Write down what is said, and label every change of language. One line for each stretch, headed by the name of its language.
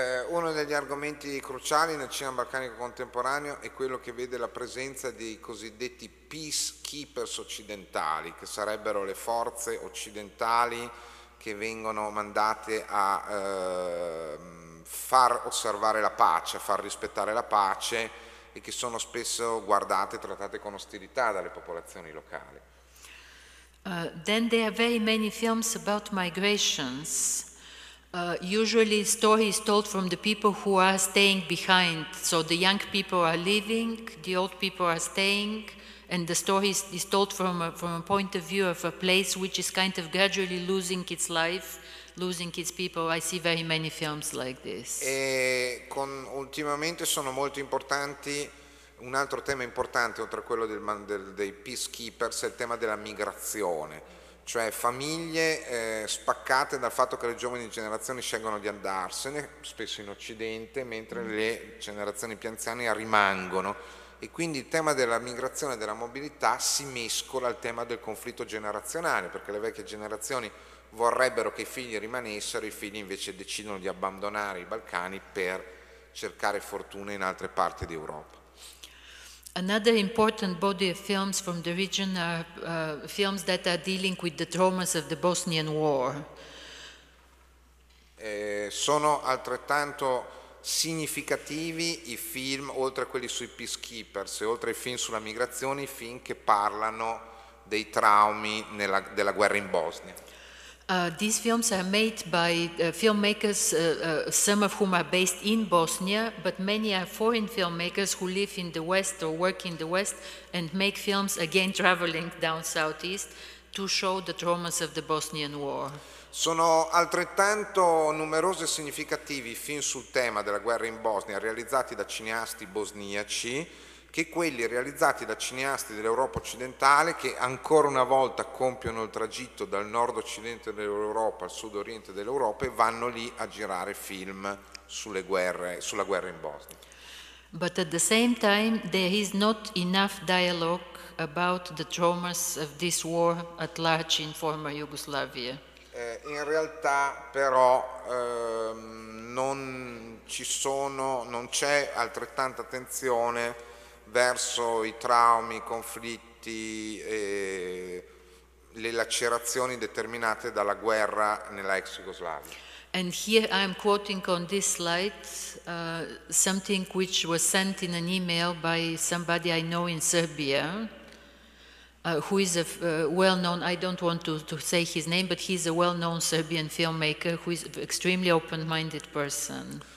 Italian: Uno degli argomenti cruciali nel cinema balcanico contemporaneo è quello che vede la presenza dei cosiddetti peacekeepers occidentali, che sarebbero le forze occidentali che vengono mandate a far osservare la pace, a far rispettare la pace, e che sono spesso guardate e trattate con ostilità dalle popolazioni locali.
English: Then there are very many films about migrations. Usually the story is told from the people who are staying behind. So the young people are leaving, the old people are staying, and the story is told from a point of view of a place which is kind of gradually losing its life, losing its people. I see very many films like this.
Italian: E ultimamente sono molto importanti, un altro tema importante oltre a quello dei peacekeepers è il tema della migrazione. Cioè famiglie spaccate dal fatto che le giovani generazioni scelgono di andarsene, spesso in Occidente, mentre le generazioni più anziane rimangono. E quindi il tema della migrazione e della mobilità si mescola al tema del conflitto generazionale, perché le vecchie generazioni vorrebbero che i figli rimanessero, i figli invece decidono di abbandonare i Balcani per cercare fortuna in altre parti d'Europa.
English: Another important body of films from the region are films that are dealing with the traumas of the Bosnian War.
Italian: Sono altrettanto significativi i film, oltre a quelli sui peacekeepers, oltre ai film sulla migrazione, i film che parlano dei traumi della guerra in Bosnia.
English: These films are made by filmmakers, some of whom are based in Bosnia, but many are foreign filmmakers who live in the West or work in the West and make films, again traveling down southeast, to show the traumas of the Bosnian War.
Italian: Sono altrettanto numerosi e significativi film sul tema della guerra in Bosnia realizzati da cineasti bosniaci che quelli realizzati da cineasti dell'Europa occidentale che ancora una volta compiono il tragitto dal nord occidente dell'Europa al sud oriente dell'Europa e vanno lì a girare film sulle guerre, sulla guerra in Bosnia.
English: But at the same time there is not enough dialogue about the traumas of this war at large in former Yugoslavia.
Italian: In realtà però non c'è altrettanta attenzione verso i traumi, i conflitti e le lacerazioni determinate dalla guerra nella ex Jugoslavia.
English: And here I'm quoting on this slide something which was sent in an email by somebody I know in Serbia. Who is a well-known, I don't want to say his name, but he's a well-known Serbian filmmaker who is an extremely open-minded person.